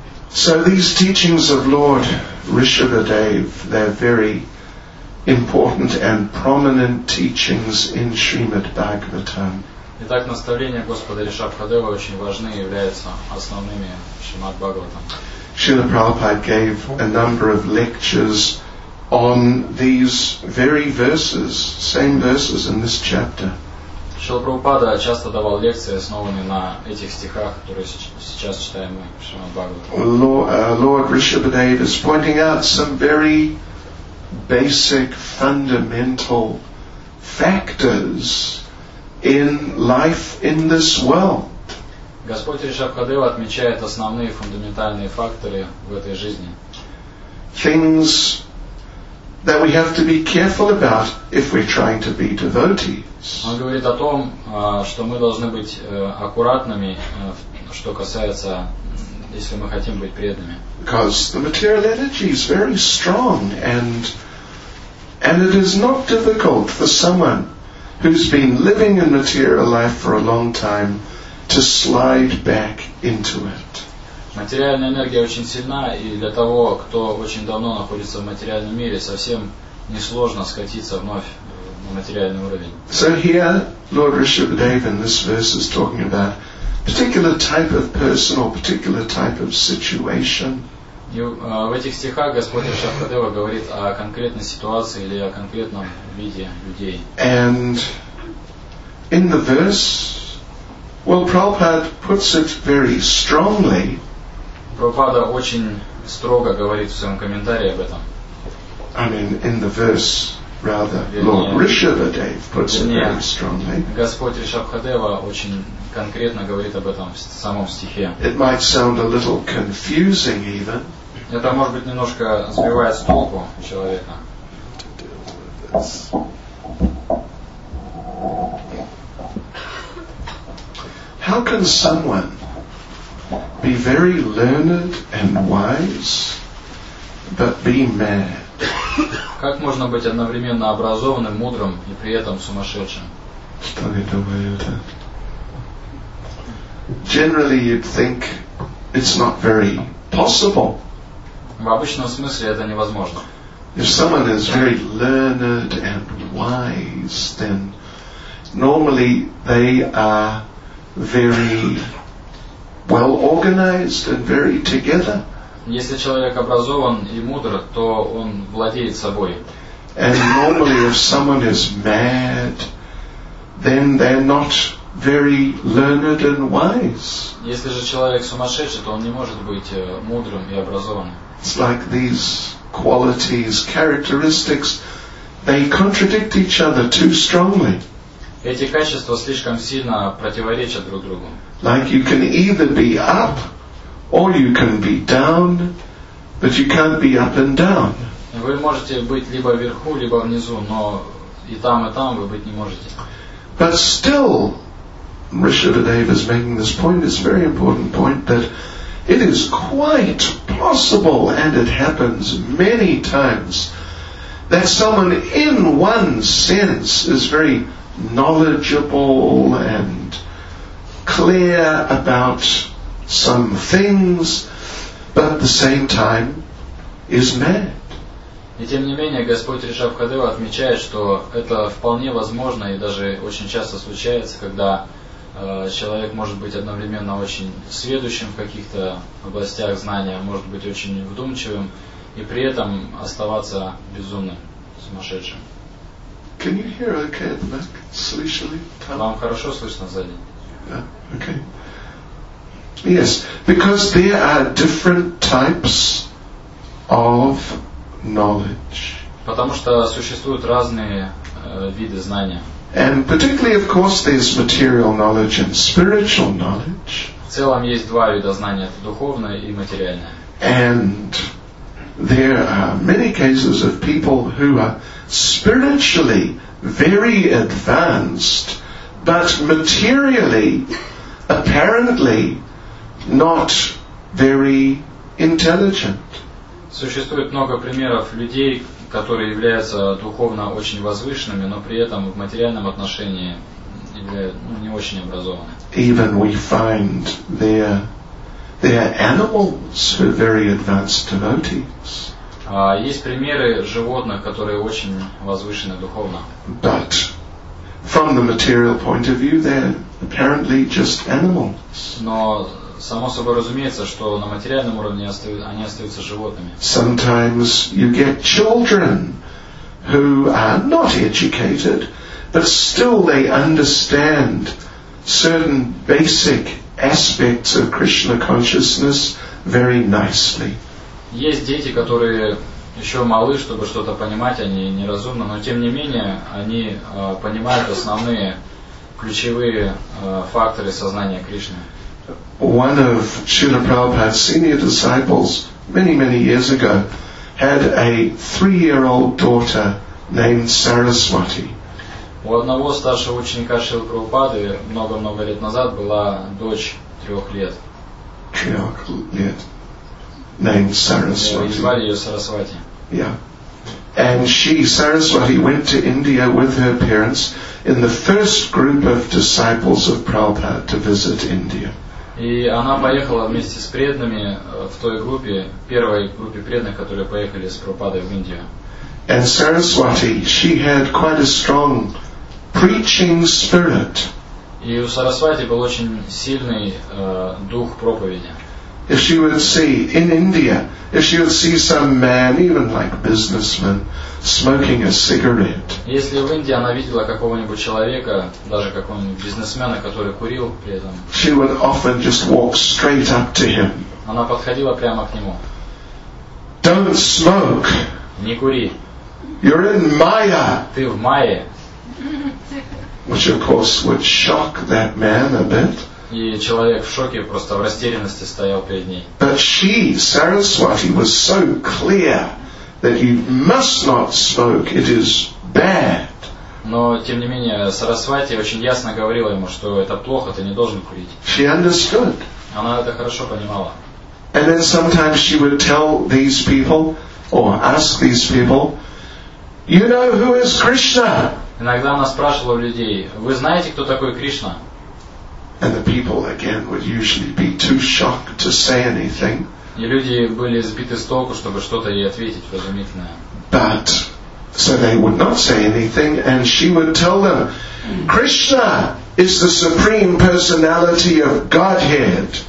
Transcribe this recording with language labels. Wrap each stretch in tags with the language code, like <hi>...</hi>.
<en>So these teachings of Lord Rishabhadev, they're very important and prominent teachings in Srimad Bhagavatam.</en> <ru>Итак, наставления Господа Ришабхадева очень важны и являются основными в Шримад Бхагаватам.</ru> <en>Srila Prabhupada gave a number of lectures on these very verses, same verses in this chapter.</en> <ru>Srila Prabhupada часто давал лекции, основанные на этих стихах, которые сейчас читаем мы в Шримад Бхагаватам.</ru> <en>Lord Rishabhadeva is pointing out some very basic fundamental factors in life in this world.</en> <ru>Господь Ришабхадева отмечает основные фундаментальные факторы в этой жизни.</ru> <en>Things that we have to be careful about if we're trying to be devotees.</en> <ru>Он говорит о том, что мы должны быть аккуратными, что касается, если мы хотим быть преданными.</ru> <en>Because the material energy is very strong and it is not difficult for someone who's been living in material life for a long time to slide back into it.</en> <ru>Материальная энергия очень сильна, и для того, кто очень давно находится в материальном мире, совсем несложно скатиться вновь на материальный уровень.</ru> <en>So here, Lord Rishabhadeva in this verse is talking about particular type of person or particular type of situation.</en> <ru>И в этих стихах Господь Шахадева говорит о конкретной ситуации или о конкретном виде людей.</ru> <en>And in the verse, well, Prabhupada puts it very strongly.</en> <ru>Прабхупада очень строго говорит в своем комментарии об этом.</ru> <en>I mean, in the verse, rather, Lord Rishabhadev puts it very strongly.</en> <ru>Господь Шахадева очень конкретно говорит об этом в самом стихе.</ru> <en>It might sound a little confusing even.</en> <ru>Это, может быть, немножко сбивает с толку человека.</ru> <en>How can someone be very learned and wise, but be mad?</en> <ru>Как можно быть одновременно образованным, мудрым и при этом сумасшедшим? Что это?</ru> <en>generally you'd think it's not very possible.</en> <ru>В обычном смысле это невозможно.</ru> <en>If someone is very learned and wise, then normally they are very well organized and very together.</en> <ru>Если человек образован и мудр, то он владеет собой.</ru> <en>And normally if someone is mad, then they're not very learned and wise.</en> <ru>Если же человек сумасшедший, то он не может быть мудрым и образованным.</ru> <en>It's like these qualities, characteristics, they contradict each other too strongly.</en> <ru>Эти качества слишком сильно противоречат друг другу.</ru> <en>Like you can either be up or you can be down, but you can't be up and down.</en> <ru>Вы можете быть либо вверху, либо внизу, но и там вы быть не можете.</ru> <en>But still, Rishabhadeva is making this point, it's a very important point, that it is quite possible, and it happens many times, that someone in one sense is very knowledgeable and clear about some things, but at the same time is mad.</en> <ru>И тем не менее, Господь Ришабхадева отмечает, что это вполне возможно и даже очень часто случается, когда человек может быть одновременно очень сведущим в каких-то областях знания, может быть очень вдумчивым и при этом оставаться безумным, сумасшедшим.</ru> <en>Can you hear okay at the back?</en> <ru>Слышали? Вам хорошо слышно сзади?</ru> <en>Okay. Yes, because there are different types of knowledge.</en> <ru>Потому что существуют разные виды знания.</ru> <en>And particularly, of course, there's material knowledge and spiritual knowledge.</en> <ru>В целом есть два вида знания: это духовное и материальное.</ru> <en>And there are many cases of people who are spiritually very advanced, but materially, apparently, not very intelligent.</en> <ru>Существует много примеров людей, которые являются духовно очень возвышенными, но при этом в материальном отношении являются не очень образованными.</ru> <en>Even we find there are animals who are very advanced devotees.</en> <ru>Есть примеры животных, которые очень возвышены духовно.</ru> <en>But from the material point of view, they're apparently just animals.</en> <ru>Но само собой разумеется, что на материальном уровне они остаются животными.</ru> <en>Sometimes you get children who are not educated, but still they understand certain basic aspects of Krishna consciousness very nicely.</en> <ru>Есть дети, которые еще малы, чтобы что-то понимать, они неразумны, но тем не менее они понимают основные ключевые факторы сознания Кришны.</ru> <en>One of Srila Prabhupada's senior disciples many, many years ago had a 3-year-old daughter named Saraswati.</en> <ru>У одного старшего ученика Шрилы Прабхупады много-много лет назад была дочь 3 лет. 3 лет.</ru> <en>Named Saraswati.</en> <ru>И звали ее Сарасвати.</ru> <en>Yeah. And she, Saraswati, went to India with her parents in the first group of disciples of Prabhupada to visit India.</en> <ru>И она поехала вместе с преданными в той группе, первой группе преданных, которые поехали с Прабхупадой в Индию.</ru> <en>And Saraswati, she had quite a strong preaching spirit.</en> <ru>И у Сарасвати был очень сильный дух проповеди.</ru> <en>If she would see in India, if she would see some man, even like businessman, smoking a cigarette.</en> <ru>Если в Индии она видела какого-нибудь человека, даже какого-нибудь бизнесмена, который курил при этом.</ru> <en>She would often just walk straight up to him.</en> <ru>Она подходила прямо к нему.</ru> <en>Don't smoke.</en> <ru>Не кури.</ru> <en>You're in Maya.</en> <ru>Ты в Майе.</ru> <en>Which of course would shock that man a bit.</en> <ru>И человек в шоке, просто в растерянности стоял перед ней.</ru> <en>But she, Saraswati, was so clear that you must not smoke, it is bad.</en> <ru>Но тем не менее, Сарасвати очень ясно говорила ему, что это плохо, ты не должен курить.</ru> <en>She understood.</en> <ru>Она это хорошо понимала.</ru> <en>And then sometimes she would tell these people, or ask these people, you know who is Krishna?</en> <ru>Иногда она спрашивала у людей, вы знаете, кто такой Кришна?</ru> <en>And the people again would usually be too shocked to say anything.</en> <ru>И люди были сбиты с толку, чтобы что-то ей ответить вразумительное.</ru> <en>But so they would not say anything, and she would tell them, Krishna is the supreme personality of Godhead.</en>